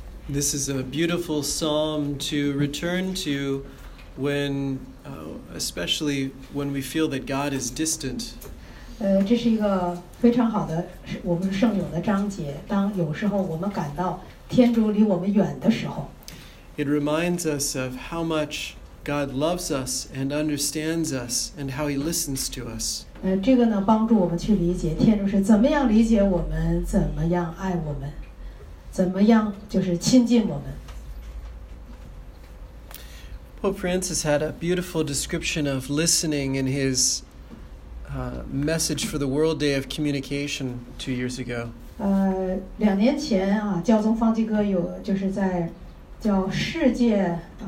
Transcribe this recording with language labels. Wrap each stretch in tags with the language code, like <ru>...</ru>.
<en>This is a beautiful psalm to return to when, especially when we feel that God is distant.</en> <zh>这是一个非常好的我们圣咏的章节，当有时候我们感到天主离我们远的时候。</zh> <en>It reminds us of how much God loves us and understands us and how he listens to us.</en> <zh>这个呢帮助我们去理解天主是怎么样理解我们，怎么样爱我们。怎么样就是亲近我们。</zh> <en>Pope Francis had a beautiful description of listening in his message for the World Day of Communication 2 years ago.</en> <zh>两年前啊，教宗方济各有就是在叫世界</zh>